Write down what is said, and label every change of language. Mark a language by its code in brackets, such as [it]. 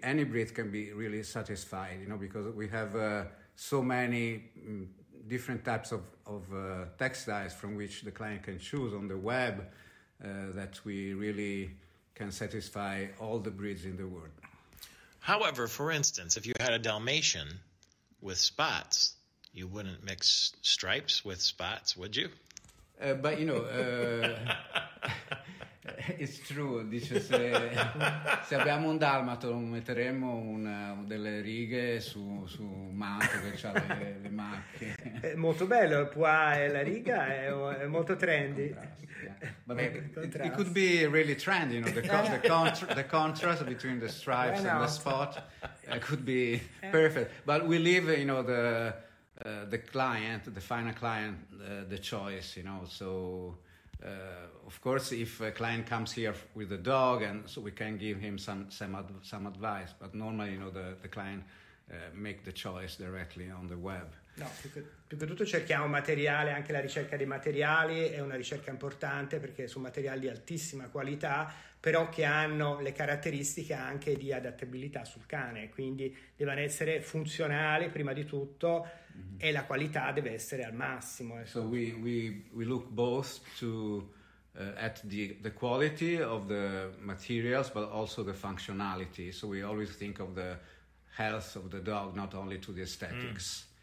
[en] Any breed can be really satisfied, you know, because we have so many different types of textiles from which the client can choose on the web that we really can satisfy all the breeds in the world. However, for instance, if you had a Dalmatian with spots, you wouldn't mix stripes with spots, would you? But, you know, it's true. [it] Dice, se abbiamo un dalmato, metteremo delle righe su un manto che ha le macchie. Molto bello, qua è la riga, è molto trendy. [en] It could be really trendy, you know, the contrast between the stripes and the spot could be perfect. But we leave, you know, the client, the final client, the choice, you know. So, of course, if a client comes here with a dog, and so we can give him some advice. But normally, you know, the client make the choice directly on the web. [it] No, più che tutto cerchiamo materiale, anche la ricerca dei materiali è una ricerca importante, perché sono materiali di altissima qualità, però che hanno le caratteristiche anche di adattabilità sul cane, quindi devono essere funzionali prima di tutto, mm-hmm. e la qualità deve essere al massimo. [en] So we look both to at the quality of the materials, but also the functionality. So we always think of the health of the dog, not only to the aesthetics.